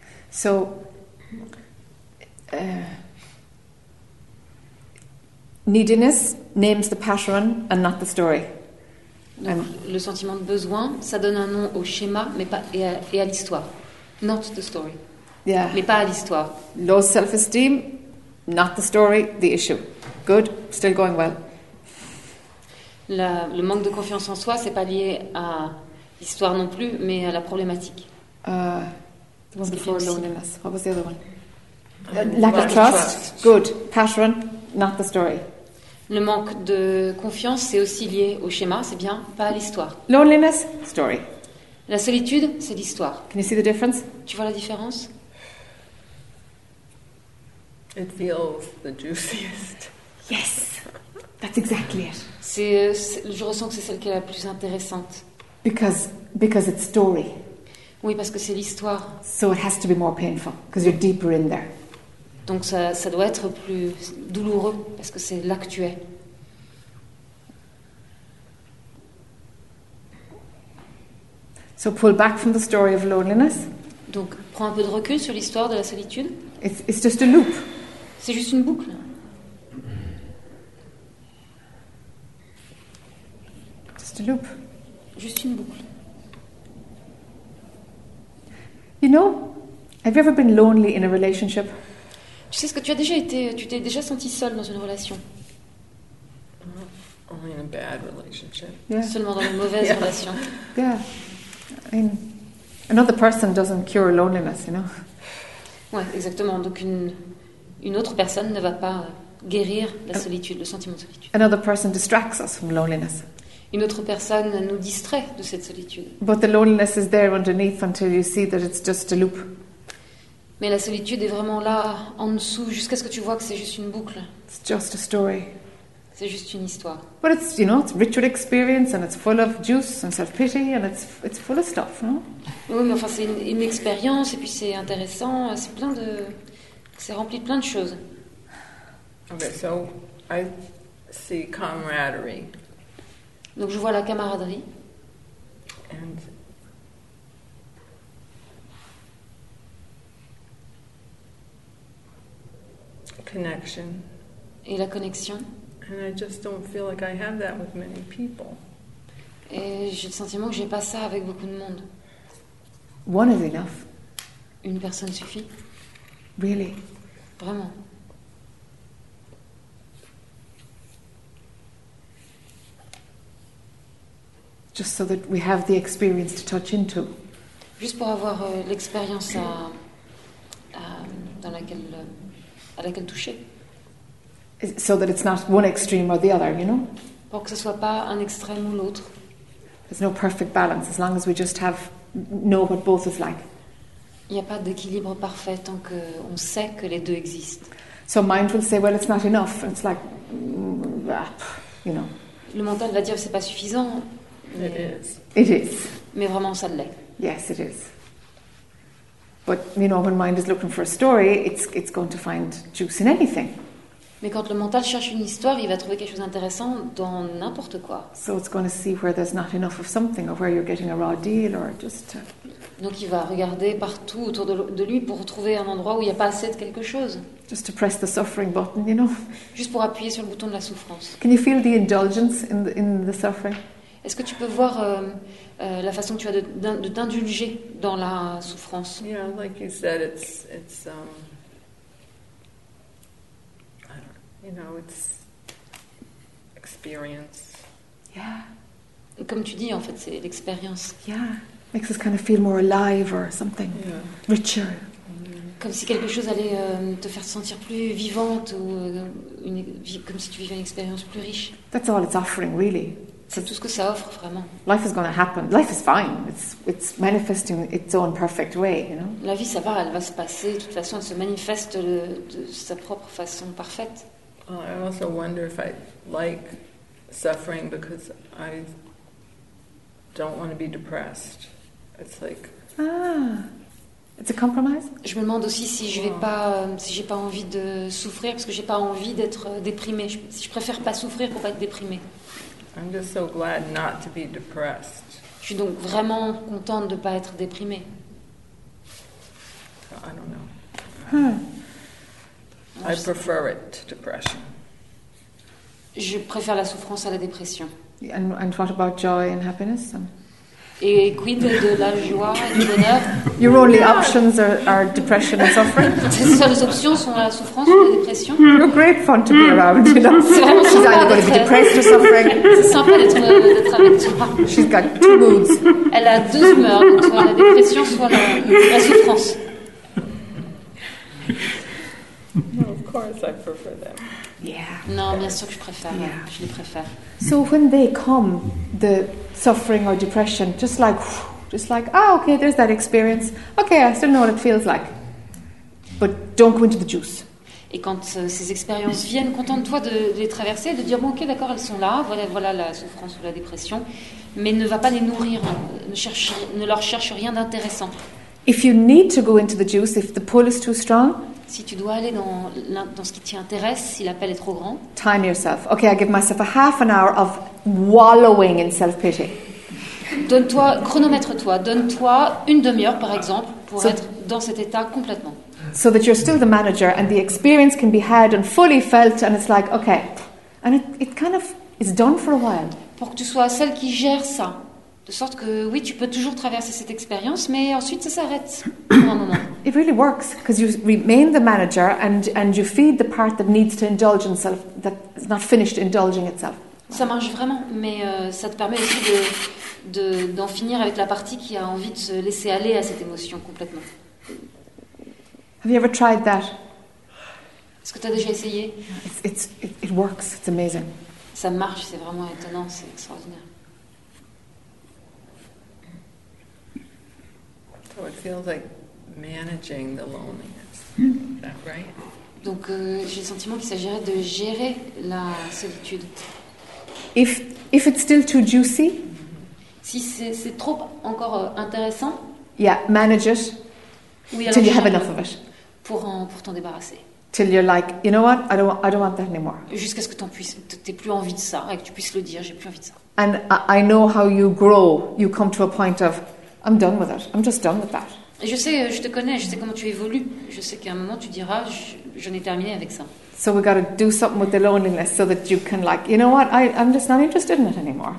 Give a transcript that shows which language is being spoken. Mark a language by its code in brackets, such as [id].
[en] So, neediness names the pattern and not the story. [fr] Donc, le sentiment de besoin, ça donne un nom au schéma, mais pas et à l'histoire. [en] Not the story. Yeah. [fr] Mais pas à l'histoire. [en] Low self-esteem, not the story, the issue. Good, still going well. [fr] Le manque de confiance en soi, c'est pas lié à l'histoire non plus, mais à la problématique. [en] The one before loneliness. What was the other one? Lack of trust. Good. Pattern, not the story. [fr] Le manque de confiance, c'est aussi lié au schéma, c'est bien, pas à l'histoire. [en] Loneliness, story. [fr] La solitude, c'est l'histoire. [en] Can you see the difference? [fr] Tu vois la différence? [en] It feels the juiciest. Yes, that's exactly it. [fr] C'est, je ressens que c'est celle qui est la plus intéressante. [en] Because it's story. [fr] Oui, parce que c'est l'histoire. [en] So it has to be more painful, because you're deeper in there. [fr] Donc ça doit être plus douloureux, parce que c'est là que tu es. [en] So pull back from the story of loneliness. [fr] Donc prends un peu de recul sur l'histoire de la solitude. [en] It's just a loop. [fr] C'est juste une boucle. [en] Just a loop. [fr] Juste une boucle. [en] You know, have you ever been lonely in a relationship? [fr] Tu sais ce que tu as déjà été, tu t'es déjà senti seule dans une relation. [en] Only in a bad relationship. [fr] Yeah. Seulement dans une mauvaise yeah. relation. [en] Yeah. I mean, another person doesn't cure loneliness, you know. [fr] Ouais, exactement. Donc une autre personne ne va pas guérir la solitude, le sentiment de solitude. [en] Another person distracts us from loneliness. [fr] Une autre personne nous distrait de cette solitude. [en] But the loneliness is there underneath until you see that it's just a loop. [fr] Mais la solitude est vraiment là, en dessous, jusqu'à ce que tu vois que c'est juste une boucle. [en] It's just a story. [fr] C'est juste une histoire. [en] But it's, you know, it's ritual experience and it's full of juice and self-pity and it's full of stuff, no? [fr] Oui, mais enfin, c'est une expérience et puis c'est intéressant. C'est rempli de plein de choses. [en] Okay, so I see camaraderie. [fr] Donc je vois la camaraderie. [en] And connection. [fr] Et la connexion. [en] And I just don't feel like I have that with many people. [fr] Et j'ai le sentiment que j'ai pas ça avec beaucoup de monde. [en] One is enough. [fr] Une personne suffit. [en] Really? [fr] Vraiment. [en] Just so that we have the experience to touch into. [fr] Juste pour avoir l'expérience à laquelle toucher. [en] So that it's not one extreme or the other, you know? [fr] Pour que ce soit pas un extrême ou l'autre. [en] There's no perfect balance as long as we just have know what both is like. [fr] Il n'y a pas d'équilibre parfait tant qu'on sait que les deux existent. [en] So mind will say, well, it's not enough. It's like, you know. [fr] Le mental va dire, c'est pas suffisant. [en] It is. It is. [fr] Mais vraiment, ça l'est. [en] Yes, it is. But, you know, when mind is looking for a story, it's going to find juice in anything. [fr] Mais quand le mental cherche une histoire, il va trouver quelque chose d'intéressant dans n'importe quoi. [en] So it's going to see where there's not enough of something, or where you're getting a raw deal, or just... [fr] Donc il va regarder partout autour de lui pour trouver un endroit où il n'y a pas assez de quelque chose. [en] Just to press the suffering button, you know. [fr] Juste pour appuyer sur le bouton de la souffrance. [en] Can you feel the indulgence in the suffering? [fr] Est-ce que tu peux voir la façon que tu as de t'indulger dans la souffrance? [en] Yeah, like you said, it's I don't know, you know, it's experience. Yeah. [fr] Et comme tu dis, en fait, c'est l'expérience. [en] Yeah. Makes us kind of feel more alive or something, yeah. Richer. [fr] Comme si quelque chose allait te faire sentir plus vivante ou comme si tu vivais une expérience plus riche. [en] That's all it's offering, really. [fr] C'est tout ce que ça offre vraiment. [en] Life is going to happen. Life is fine. It's manifesting its own perfect way, you know. [fr] La vie, ça va, elle va se passer. De toute façon, elle se manifeste de sa propre façon parfaite. [en] I also wonder if I like suffering because I don't want to be depressed. It's like It's a compromise. [fr] Je me demande aussi si je vais pas, si j'ai pas envie de souffrir parce que j'ai pas envie d'être déprimée. Si je préfère pas souffrir pour pas être déprimée. [en] I'm just so glad not to be depressed. [fr] Je suis donc vraiment contente de pas être déprimée. [en] I don't know. I prefer it to depression. [fr] Je préfère la souffrance à la dépression. [en] And what about joy and happiness? [fr] Et quid de la joie et du bonheur? [en] Your only options are depression and suffering. [fr] Tes seules options sont la souffrance ou la dépression. [en] You're great fun to be around. You know? [fr] C'est vraiment [en] She's [fr] sympa [en] either going to be depressed or suffering. [fr] C'est sympa d'être avec toi. [en] She's got two moods. [fr] Elle a deux humeurs, soit la dépression, soit la souffrance. [en] No, of course, I prefer them. Yeah. [fr] Non, bien sûr que je préfère. Yeah. Je les préfère. [en] So when they come, the suffering or depression, just like, ah, okay, there's that experience. Okay, I still know what it feels like. But don't go into the juice. [fr] Et quand ces expériences viennent, contente-toi de les traverser, de dire, bon, ok, d'accord, elles sont là, voilà la souffrance ou la dépression, mais ne va pas les nourrir, ne leur cherche rien d'intéressant. [en] If you need to go into the juice, if the pull is too strong, [fr] si tu dois aller dans ce qui t'intéresse, si l'appel est trop grand, [en] time yourself. Okay, I give myself a half an hour of wallowing in self-pity. [fr] Donne-toi, chronomètre-toi, donne-toi une demi-heure, par exemple, pour être dans cet état complètement. [en] So that you're still the manager and the experience can be had and fully felt and it's like, okay. And it kind of is done for a while. [fr] Pour que tu sois celle qui gère ça. De sorte que, oui, tu peux toujours traverser cette expérience, mais ensuite, ça s'arrête. Non, non, non. [en] It really works, because you remain the manager and you feed the part that needs to indulge itself, that is not finished indulging itself. [fr] Ça marche vraiment, mais ça te permet aussi d'en finir avec la partie qui a envie de se laisser aller à cette émotion complètement. [en] Have you ever tried that? [fr] Est-ce que tu as déjà essayé? [en] It works, it's amazing. [fr] Ça marche, c'est vraiment étonnant, c'est extraordinaire. [en] So it feels like managing the loneliness. Is that right? [fr] Donc j'ai le sentiment qu'il s'agirait de gérer la solitude. [en] If it's still too juicy? [fr] Si c'est trop encore intéressant? [en] Yeah, manage it. [fr] Oui, [en] till you have enough of it. [fr] Pour t'en débarrasser. [en] Till you're like, you know what? I don't want that anymore. [fr] Jusqu'à ce que t'aies plus envie de ça et que tu puisses le dire, j'ai plus envie de ça. [en] And I know how you grow. You come to a point of I'm done with it. I'm just done with that. [fr] Je sais, je te connais, je sais comment tu évolues. Je sais qu'à un moment tu diras, j'en ai terminé avec ça. [en] So we got to do something with the loneliness so that you can like, you know what, I'm just not interested in it anymore.